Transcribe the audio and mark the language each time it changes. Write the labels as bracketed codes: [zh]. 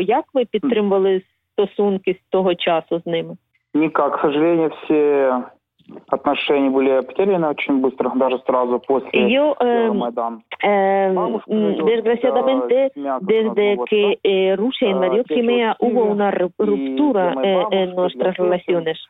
[uk] Як ви підтримували стосунки з того часу з ними? [ru] Никак, к сожалению, все отношения были потеряны очень быстро, даже сразу после Майдана. [es] Ее, desgraciadamente, desde que Rusia invadió Crimea, hubo una ruptura en nuestras relaciones.